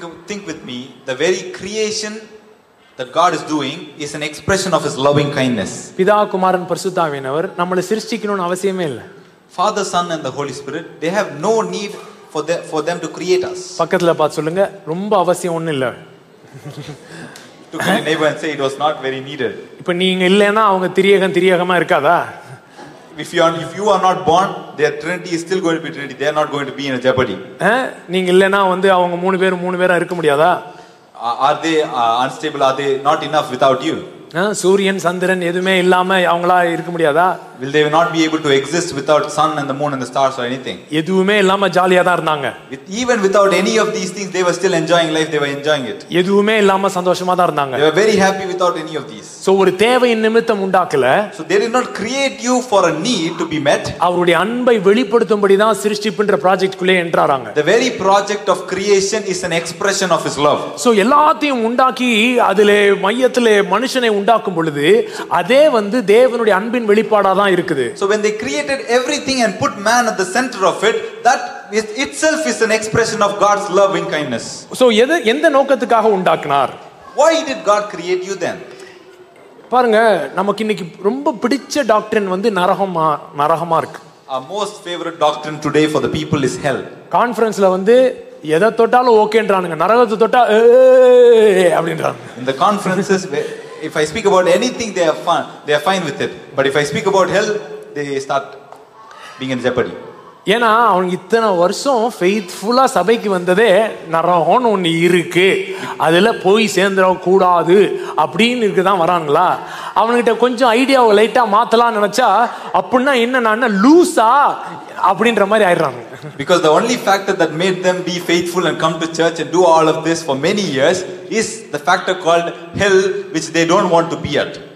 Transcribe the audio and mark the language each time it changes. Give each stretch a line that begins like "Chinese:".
English: Think with me, the very creation that God is doing is an expression of his loving kindness.
Tamil: பிதா குமாரன் பரிசுத்தாவியானவர் நம்மளை சிருஷ்டிக்கணும்னு அவசியமே இல்லை.
English: Father, Son and the Holy Spirit, they have no need for them to create us.
Tamil: பக்கத்துல பாத்து சொல்லுங்க, ரொம்ப அவசியம் ஒண்ணு இல்ல.
English: To my neighbor and say it was not very needed.
Tamil: இப்ப நீங்க இல்லனா அவங்க திரியகம் திரியகமா இருக்காதா?
English: If you are not born, their trinity is still going to be trinity. They are not going to be in a jeopardy.
Tamil: நீங்க இல்லனா வந்து அவங்க மூணு பேரா இருக்க முடியாதா?
English: Are they unstable? Are they not enough without you?
Tamil: Suriyan Chandran எதுமே இல்லாம அவங்களா இருக்க முடியாதா?
English: Will they not be able to exist without sun and the moon and the stars or anything?
Tamil: எதுமே இல்லாம ஜாலியா தான் இருந்தாங்க.
English: Even without any of these things they were still enjoying life, they were enjoying it.
Tamil: எதுமே இல்லாம சந்தோஷமா தான் இருந்தாங்க.
English: They were very happy without any of these.
Tamil: So ஒரு தேவை நிமித்தம் உண்டாக்கல.
English: So they did not create you for a need to be met.
Tamil: அவருடைய அன்பை வெளிப்படுத்தும்படி தான் சிருஷ்டிப்புன்ற ப்ராஜெக்ட்க்குள்ளே என்றாராங்க.
English: The very project of creation is an expression of his love.
Tamil: So எல்லாத்தையும் உண்டாக்கி அதிலே மையத்திலே மனுஷனை உண்டாக்கும் பொழுது அதே வந்து தேவனுடைய அன்பின் வெளிப்பாடு.
English: So when they created everything and put man at the center of it, that is itself is an expression of God's loving kindness.
Tamil: So எது எந்த நோக்கத்துக்காக உண்டாக்கினார்?
English: Why did God create you then?
Tamil: பாருங்க, நமக்கு இன்னைக்கு ரொம்ப பிடிச்ச டாக்ட்ரின் வந்து நரகமா இருக்கு.
English: Our most favorite doctrine today for the people is hell.
Tamil: கான்ஃபரன்ஸ்ல வந்து எதை தொட்டாலும் ஓகேன்றானுங்க, நரகத்தை தொட்டா அப்படின்றாங்க.
English: In the conferences if I speak about anything they are fine with it, but if I speak about hell they start being in jeopardy.
Tamil: ஏனா அவங்க இத்தனை வருஷம் ஃபெய்த்ஃபுல்லா சபைக்கு வந்ததே நரகம்னு ஒண்ணு இருக்கு, அதுல போய் சேர்ந்துட கூடாது அப்படின்னு இருக்குதான் வராங்களா? அவன்கிட்ட கொஞ்சம் ஐடியாவை லைட்டா மாத்தலாம் நினைச்சா அப்படின்னா என்னன்னா லூசா அப்படின்ற மாதிரி ஆயிடுறாங்க.
English: Because the only factor that made them be faithful and come to church and do all of this for many years is the factor called hell, which they don't want to be at.